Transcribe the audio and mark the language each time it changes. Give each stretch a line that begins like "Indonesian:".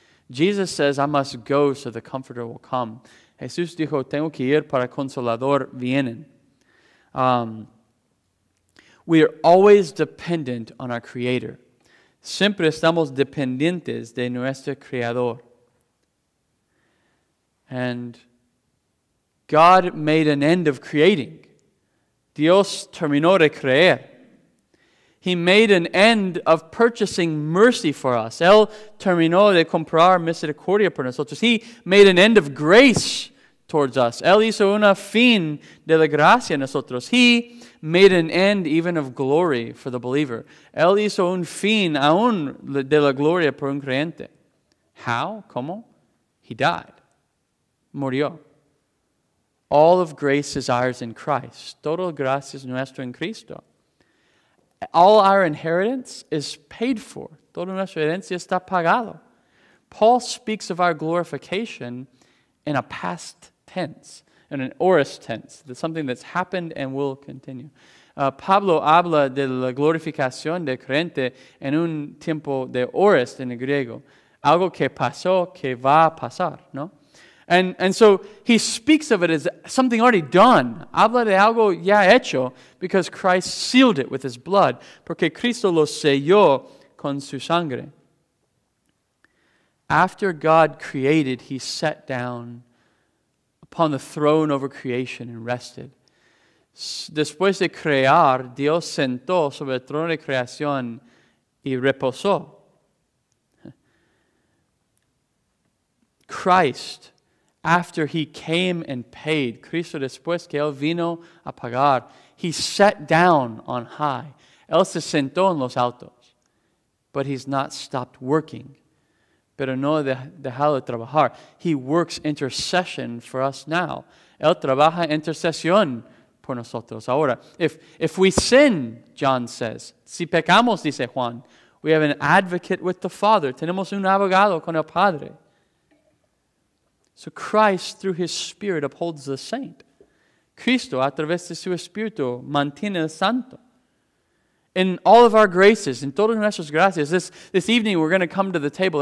English: Jesus says, I must go so the Comforter will come.
Spanish: Jesús dijo, tengo que ir para Consolador vienen.
English: We are always dependent on our Creator.
Spanish: Siempre estamos dependientes de nuestro Creador.
English: And God made an end of creating.
Spanish: Dios terminó de creer.
English: He made an end of purchasing mercy for us.
Spanish: Él terminó de comprar misericordia por nosotros.
English: He made an end of grace towards us.
Spanish: Él hizo una fin de la gracia a nosotros.
English: He made an end even of glory for the believer.
Spanish: Él hizo un fin aún de la gloria por un creyente.
English: How?
Spanish: ¿Cómo?
English: He died.
Spanish: Murió.
English: All of grace is ours in Christ.
Spanish: Todo gracia es nuestro en Cristo.
English: All our inheritance is paid for.
Spanish: Toda nuestra herencia está pagado.
English: Paul speaks of our glorification in a past tense, in an aorist tense, that's something that's happened and will continue.
Spanish: Pablo habla de la glorificación de creyente en un tiempo de aorist en el griego. Algo que pasó, que va a pasar, ¿no?
English: And so he speaks of it as something already done.
Spanish: Habla de algo ya hecho
English: because Christ sealed it with his blood.
Spanish: Porque Cristo lo selló con su sangre.
English: After God created, he sat down upon the throne over creation and rested.
Spanish: Después de crear, Dios sentó sobre el trono de creación y reposó.
English: Christ, after he came and paid,
Spanish: Cristo después que él vino a pagar,
English: he sat down on high.
Spanish: Él se sentó en los altos.
English: But he's not stopped working.
Spanish: pero no ha dejado de trabajar.
English: He works intercession for us now.
Spanish: Él trabaja intercesión por nosotros ahora.
English: If we sin, John says,
Spanish: si pecamos, dice Juan,
English: we have an advocate with the Father.
Spanish: Tenemos un abogado con el Padre.
English: So Christ, through his Spirit, upholds the saint.
Spanish: Cristo, a través de su Espíritu, mantiene el santo.
English: In all of our graces, in
Spanish: todas nuestras gracias,
English: this evening we're going to come to the table.